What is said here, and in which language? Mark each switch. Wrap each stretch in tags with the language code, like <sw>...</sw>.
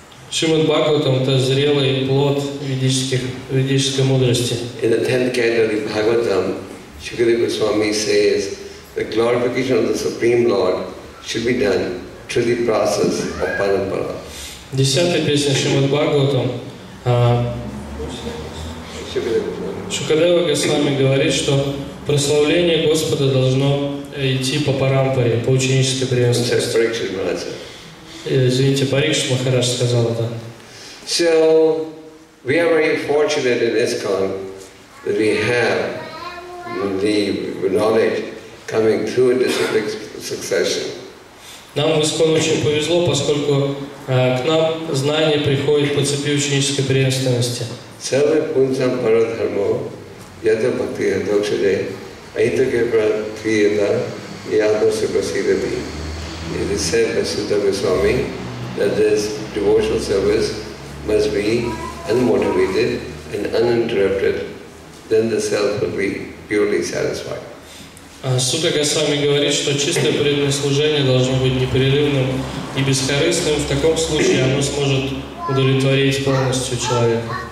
<ru>Шримад Бхагаватам – это зрелый плод ведической мудрости.</ru> <en>In the 10th canto of Bhagavatam, Shukadeva Goswami says, the glorification of the Supreme Lord should be done through the process of Parampara.</en> <ru>Десятая песня Шримад Бхагаватам. Шукадева Госвами говорит, что прославление Господа должно идти по парампаре, по ученической преемственности. Извините, Парикшит Махарадж сказал это.</ru> <en>So we are very fortunate in ISKCON that we have the knowledge coming through this disciplic succession.</en> <ru>Нам в ИСККОН очень повезло, поскольку к нам знания приходят по цепи ученической преемственности.</ru> <sa>Сарве пунсам пара дхармо, ято бхакти адокшаде, айтаке пратхиета, ято сукрасидати.</sa> <en>It is said by Sutta Goswami that this devotional service must be unmotivated and uninterrupted, then the self will be purely satisfied.</en> <ru>Сутта Госвами говорит, что чистое преданное служение должно быть непрерывным и бескорыстным. В таком случае оно сможет удовлетворить полностью человека.</ru>